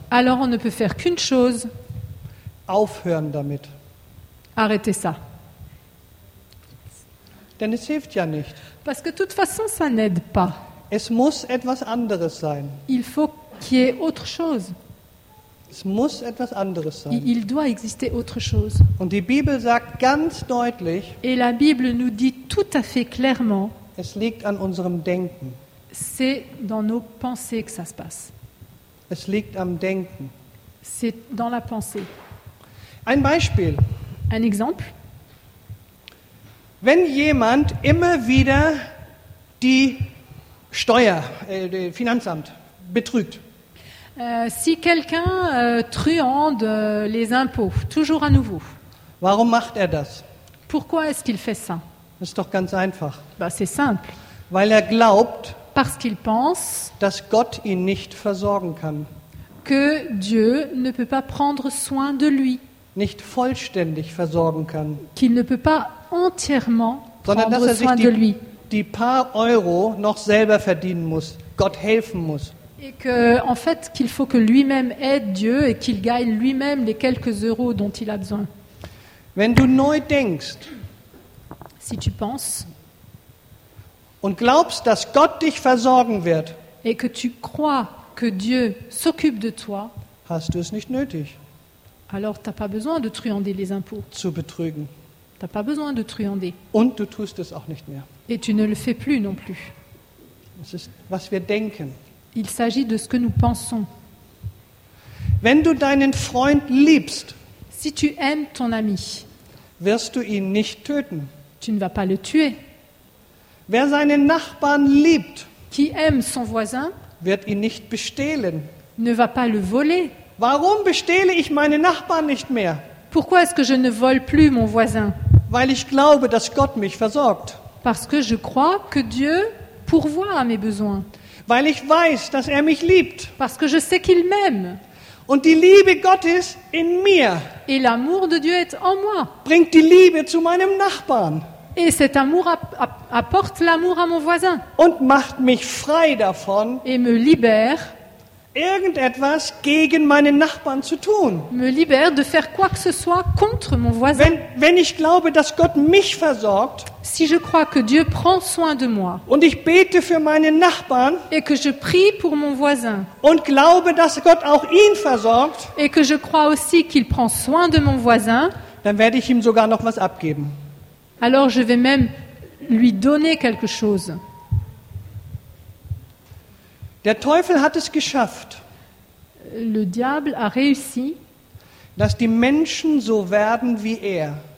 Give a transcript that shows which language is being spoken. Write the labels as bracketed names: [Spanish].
[French] Alors on ne peut faire qu'une chose. [German] Aufhören damit. [French] Arrêtez ça. [German] Denn es hilft ja nicht. [French] Parce que de toute façon, ça n'aide pas. [German] Es muss etwas anderes sein. [French] Il faut qu'il y ait autre chose. [German] Es muss etwas anderes sein. [French] Il doit exister autre chose. [German] Und die Bibel sagt ganz deutlich, [French] et la Bible nous dit tout à fait clairement, [German] es liegt an unserem Denken. [French] C'est dans nos pensées que ça se passe. [German] Es liegt am Denken. [French] C'est dans la pensée. [German] Ein Beispiel. [French] Un exemple. [German] Wenn jemand immer wieder die Steuer, das Finanzamt, betrügt. [French] Si quelqu'un truande les impôts, toujours à nouveau. [German] Warum macht er das? [French] Pourquoi est-ce qu'il fait ça? [German] Das ist doch ganz einfach. [French] C'est simple. [German] Weil er glaubt, [French] parce qu'il pense, [German] dass Gott ihn nicht versorgen kann. [French] Que Dieu ne peut pas prendre soin de lui. [German] Nicht vollständig versorgen kann. [French] Qu'il ne peut pas entièrement [German] sondern [French] prendre [German] dass er [French] soin [German] sich die paar Euro noch selber verdienen muss, Gott helfen muss. [French] Et que, en fait, qu'il faut que lui-même aide Dieu et qu'il gagne lui-même les quelques euros dont il a besoin. [German] Wenn du neu denkst, [French] si tu penses [German] und glaubst, dass Gott dich versorgen wird, [French] et que tu crois que Dieu s'occupe de toi, [German] hast du es nicht nötig. [French] Alors, t'as pas besoin de truander les impôts. [German] Zu betrügen. [French] T'as pas besoin de truander. [German] Und du tust es auch nicht mehr. [French] Et tu ne le fais plus non plus. [German] Das ist, was wir denken. [French] Il s'agit de ce que nous pensons. [German] Wenn du deinen Freund liebst, [French] si tu aimes ton ami, [German] wirst du ihn nicht töten. [French] Tu ne vas pas le tuer. [German] Wer seinen Nachbarn liebt, [French] qui aime son voisin, [German] wird ihn nicht bestehlen. [French] Ne va pas le voler. [German] Warum bestehle ich meine Nachbarn nicht mehr? [French] Pourquoi est-ce que je ne vole plus mon voisin? [German] Weil ich glaube, dass Gott mich versorgt. [French] Parce que je crois que Dieu pourvoit à mes besoins. [German] Weil ich weiß, dass mich liebt. [French] Parce que je sais qu'il m'aime. [German] Und die Liebe Gottes in mir. [French] Et l'amour de Dieu est en moi. [German] Bringt die Liebe zu meinem Nachbarn. [French] Et cet amour apporte l'amour à mon voisin. [German] Und macht mich frei davon. [French] Et me libère. [German] Irgendetwas gegen meinen Nachbarn zu tun. [French] Me libère de faire quoi que ce soit contre mon voisin. [German] Wenn ich glaube, dass Gott mich versorgt, [French] si je crois que Dieu prend soin de moi, [German] und ich bete für meinen Nachbarn, [French] et que je prie pour mon voisin, [German] und glaube, dass Gott auch ihn versorgt, [French] et que je crois aussi qu'il prend soin de mon voisin, [German] dann werde ich ihm sogar noch was abgeben. [French] Alors je vais même lui donner quelque chose. [German] Der Teufel hat es geschafft. [French] Le diable a réussi, [German] dass die Menschen so werden wie er.